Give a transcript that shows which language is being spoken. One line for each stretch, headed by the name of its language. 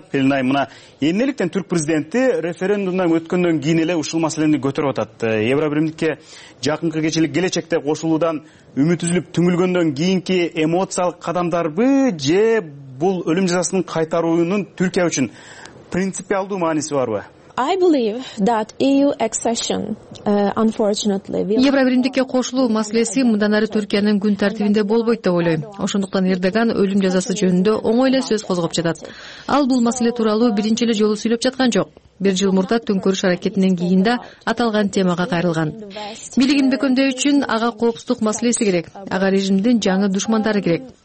Kyrgyz: Пелинай, мына эмнеликтен түрк президенти референдумдан өткөндөн кийин эле ушул маселени көтөрүп атат? Евро биримдикке жакынкы келечекте кошулуудан үмүт үзүлүп түңүлгөндөн кийинки эмоциялык кадамдарбы, же бул өлүм жазасын кайтаруунун Түркия үчүн принципиалдуу мааниси барбы?
English: I believe that EU accession, unfortunately, will...
Kyrgyz: Евро биримдикке кошулуу маселеси мындан ары Түркиянын күн тартибинде болбойт деп ойлойм. Ошондуктан Эрдоган өлүм жазасы жөнүндө оңой эле сөз козгоп жатат. Ал бул маселе тууралуу биринчи эле жолу сүйлөп жаткан жок. Бир жыл мурда төңкөрүш аракетинен кийин да аталган темага кайрылган. Билигин бекөмдөө үчүн ага коопсуздук маселеси керек, ага режимдин жаңы душмандары керек.